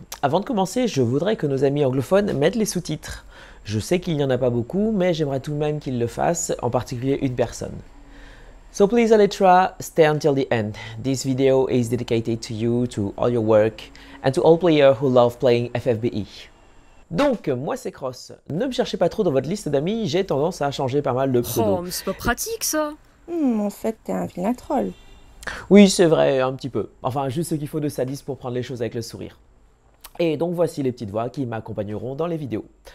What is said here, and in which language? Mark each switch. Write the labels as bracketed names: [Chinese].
[French] Avant de commencer, je voudrais que nos amis anglophones mettent les sous-titres. Je sais qu'il n'y en a pas beaucoup, mais j'aimerais tout de même qu'ils le fassent, en particulier une personne. [English] So please, Aletra, stay until the end. This video is dedicated to you, to all your work, and to all players who love playing FFBE. [French] Donc, moi c'est Cross. Ne me cherchez pas trop dans votre liste d'amis, j'ai tendance à changer pas mal de Oh, pseudo. mais c'est pas pratique ça. En fait, t'es un vilain troll. Oui, c'est vrai, un petit peu. Enfin, juste ce qu'il faut de sadisme pour prendre les choses avec le sourire. Et donc, voici les petites voix qui m'accompagneront dans les vidéos.